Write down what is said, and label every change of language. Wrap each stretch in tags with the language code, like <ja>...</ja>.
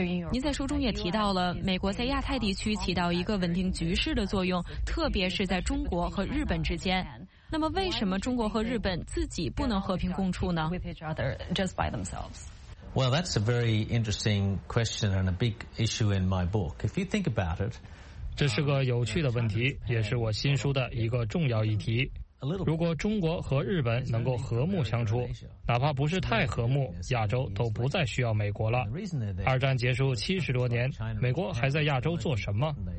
<zh>您在书中也提到了美国在亚太地区起到一个稳定局势的作用，特别是在中国和日本之间。那么为什么中国和日本自己不能和平共处呢？</zh> <en>Well, that's a very interesting question and a big issue in my book. If you think about it,</en> <zh>这是个有趣的问题，也是我新书的一个重要议题。如果中国和日本能够和睦相处，哪怕不是太和睦，亚洲都不再需要美国了。二战结束70多年，美国还在亚洲做什么？</zh>